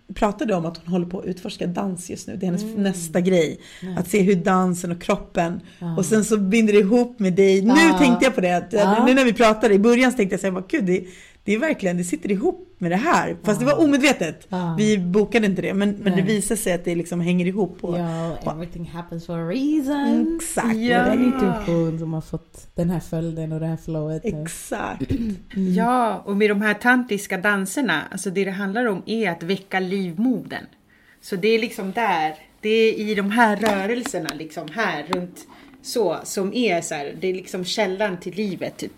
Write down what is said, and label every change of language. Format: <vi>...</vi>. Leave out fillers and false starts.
<sv>pratade om att hon håller på att utforska dans just nu. Det är hennes nästa grej. Mm. Att se hur dansen och kroppen. Mm. Och sen så binder det ihop med dig. Mm. Nu tänkte jag på det. Mm. Nu när vi pratade i början så tänkte jag såhär, gud, det är verkligen, det sitter ihop med det här. Fast det var omedvetet. Mm. Vi bokade inte det. Men det visar sig att det liksom hänger ihop.</sv> <en>Och everything happens for a reason.</en> <sv>Exakt. Ja. Det är intuition som har fått den här följden och det här flowet. Exakt. Ja, och med de här tantriska danserna. Alltså det handlar om är att väcka livmodern. Så det är liksom där. Det är i de här rörelserna liksom här runt. Så som är så här, det är liksom källan till livet typ.</sv>